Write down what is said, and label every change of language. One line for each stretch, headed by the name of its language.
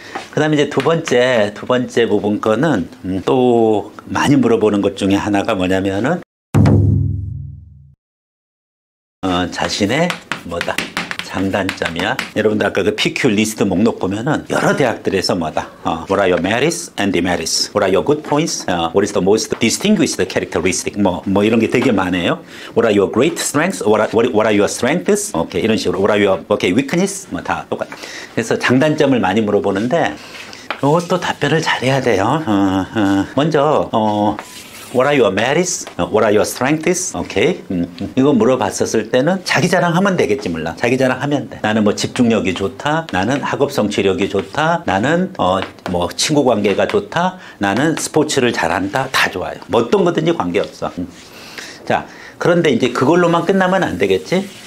Korean: 그 다음에 이제 두 번째 부분 거는 또 많이 물어보는 것 중에 하나가 뭐냐면은 자신의 뭐다 장단점이야. 여러분들 아까 그 PQ 리스트 목록 보면은 여러 대학들에서 뭐다
English: What are your merits and demerits? What are your good points? What is the most distinguished characteristic?
Korean: 뭐 이런 게 되게 많아요.
English: What are your great strengths? What are your strengths?
Korean: 오케이 이런 식으로
English: What are your weakness?
Korean: 뭐 다 똑같아. 그래서 장단점을 많이 물어보는데 이것도 답변을 잘해야 돼요.
English: 먼저 What are your merits? What are your strengths? Okay.
Korean: 이거 물어봤었을 때는 자기 자랑하면 되겠지 몰라. 자기 자랑하면 돼. 나는 뭐 집중력이 좋다. 나는 학업 성취력이 좋다. 나는 뭐 친구 관계가 좋다. 나는 스포츠를 잘한다. 다 좋아요. 뭐 어떤 거든지 관계없어. 자, 그런데 이제 그걸로만 끝나면 안 되겠지?